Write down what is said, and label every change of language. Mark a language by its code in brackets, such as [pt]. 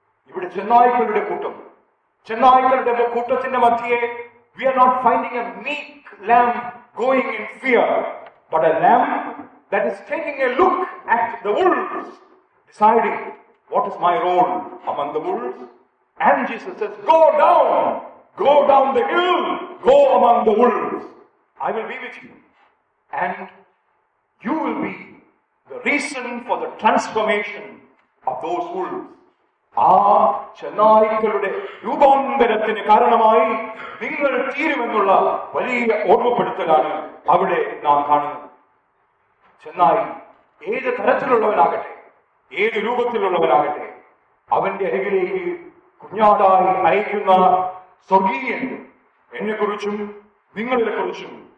[ml] ഇവിടെ ചെന്നായ്ക്കളുടെ കൂട്ടം, ചെന്നായ്ക്കളുടെ കൂട്ടത്തിന്റെ മധ്യേ [en] We are not finding a meek lamb going in fear, but a lamb that is taking a look at the wolves deciding What is my role among the wolves? And Jesus says, go down the hill, go among the wolves. I will be with you. And you will be the reason for the transformation of those wolves. [ml] Ah, ചെന്നായ്ക്കളുടെ രൂപാന്തരത്തിന് കാരണമായി നിങ്ങൾ തീരുമെന്നുള്ള വലിയ ഓർമ്മപ്പെടുത്തലാണ് അവിടെ നാം കാണുന്നത്. ചെന്നായി ഏത് തരത്തിലുള്ളവനാകട്ടെ, ഏത് രൂപത്തിലുള്ളവരാകട്ടെ, അവന്റെ അരികിലേക്ക് കുഞ്ഞാടായി അയക്കുന്ന സ്വർഗീയൻ എന്നെക്കുറിച്ചും നിങ്ങളെ കുറിച്ചും